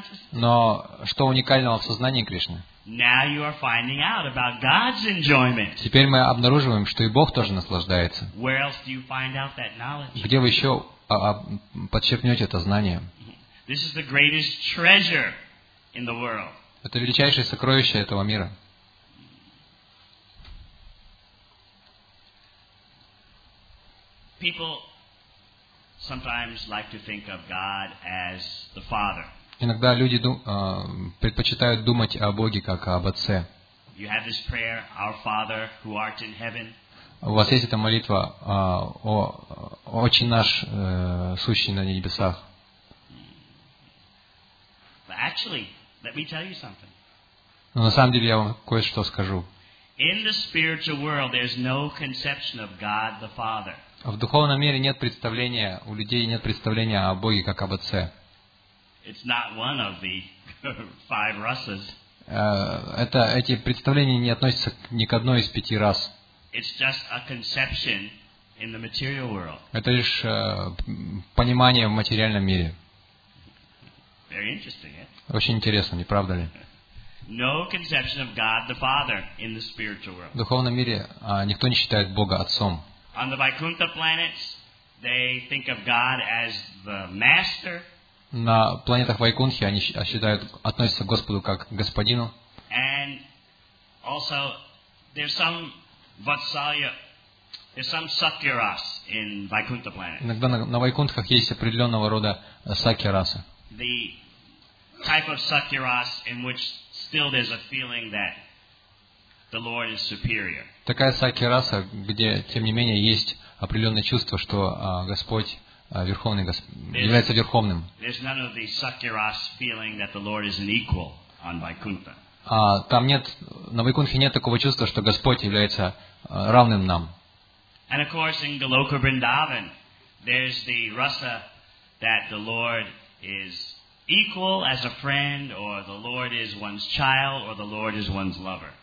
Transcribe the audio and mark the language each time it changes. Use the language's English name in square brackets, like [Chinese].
[Russian] Но что уникального в сознании Кришны? Теперь мы обнаруживаем, что и Бог тоже наслаждается. Где вы еще подчеркнете это знание? [English] This is the greatest treasure in the world. [Russian] Это величайшее сокровище этого мира. [English] People sometimes like to think of God as the Father. [Russian] Иногда люди предпочитают думать о Боге как об отце. [English] You have this prayer, Our Father who art in heaven. [Russian] У вас есть эта молитва, Отче наш, сущий на небесах. [English] But actually, let me tell you something. [Russian] Но на самом деле я вам кое-что скажу. [English] In the spiritual world, there's no conception of God the Father. [Russian] В духовном мире нет представления, у людей нет представления о Боге как об Отце. [English] It's not one of the five rasas. [Russian] Эти представления не относятся ни к одной из пяти рас. [English] It's just a conception in the material world. [Russian] Это лишь понимание в материальном мире. [English] Very interesting, eh? [Russian] Очень интересно, не правда ли? [English] No conception of God the Father in the spiritual world. [Russian] В духовном мире никто не считает Бога Отцом. [English] On the Vaikuntha planets, they think of God as the master. [Russian] На планетах Вайкунхи они относятся к Господу как к господину. [English] And also, there's some sakyaras in Vaikuntha planets. [Russian] Иногда на Вайкунтхах есть определенного рода сакьярасы. [English] The type of sakyaras in which still there's a feeling that the Lord is superior. [Russian] Такая сакьяраса, где, тем не менее, есть определенное чувство, что Господь Верховный, является Верховным. [English] There's none of the sakyaras feeling that the Lord is an equal on Vaikuntha. [Russian] Там нет, на Вайкунтхе нет такого чувства, что Господь является равным нам. [English] And of course, in Goloka Vrindavan, there's the rasa that the Lord is equal as a friend, or the Lord is one's child, or the Lord is one's lover.